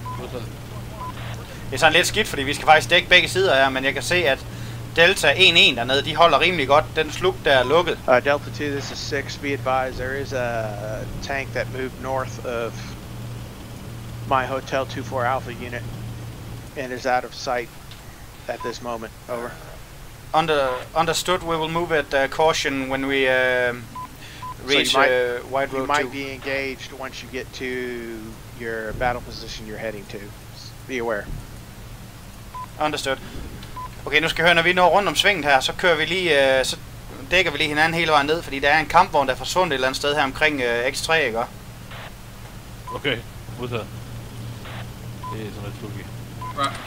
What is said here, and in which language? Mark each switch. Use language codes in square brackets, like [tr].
[da] Det er sådan lidt skidt, fordi vi skal faktisk dække begge sider her, men jeg kan se, at Delta 1-1 dernede, de holder rimelig godt. Den slug, der er lukket. [en] Delta 2, this is 6. Be advised, there is a tank that moved north of my hotel 24 Alpha unit and is out of sight at this moment. Over. Understood, we will move at caution when we reach wide road 2. You might be engaged once you get to your battle position you're heading to. Be aware. Understood. [da] Okay, nu skal vi høre, når vi når rundt om svinget her, så kører vi lige, så dækker vi lige hinanden hele vejen ned, fordi der er en kampvogn, der er forsvundet et eller andet sted her omkring X3, ikke? Okay, modtaget. Det er sådan lidt flugt.